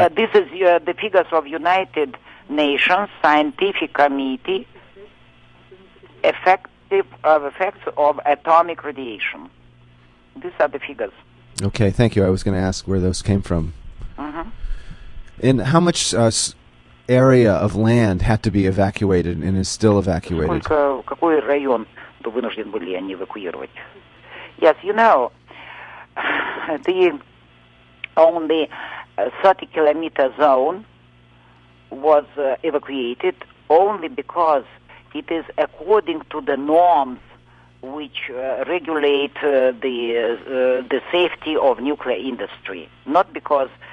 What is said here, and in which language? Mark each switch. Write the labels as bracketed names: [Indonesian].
[English] this is the figures of United Nations Scientific Committee effects of atomic radiation. These are the figures. Okay, thank you. I was going to ask where those came from. Mm-hmm. And how much area of land had to be evacuated and is still evacuated? [Russian] Какой район вынужден были они эвакуировать? [English] Yes, you know, the only 30-kilometer zone was evacuated only because it is according to the norms which regulate the safety of nuclear industry, not because